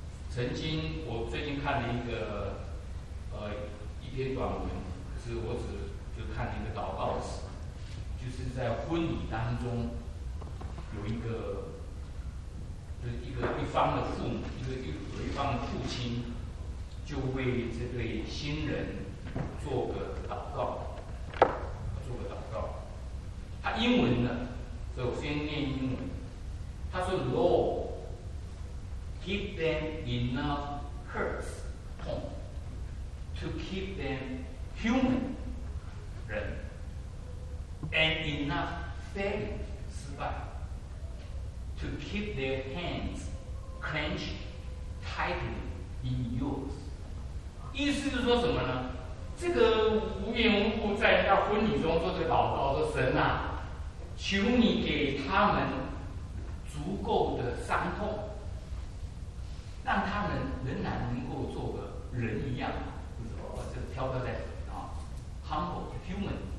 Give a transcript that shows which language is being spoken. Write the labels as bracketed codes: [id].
[zh] 曾经我最近看了一个一篇短文，可是我只就看了一个祷告词，就是在婚礼当中有一个就是一方的父母，有一方的父亲就为这对新人做个祷告，做个祷告。他英文呢，所以我先念英文。他说 [en] ：“Lord, give them enough hurts, pain, to keep them human, [zh] 人 [en] and enough failure, [zh] 失败 [en] to keep their hands clenched tightly in yours。” [zh] 意思是说什么呢？这个无缘无故在他婚礼中做这个祷告，说神啊，求你给他们足够的伤痛，让他们仍然能够做个人一样，就是说这个飘飘在啊 ， [en] humble human，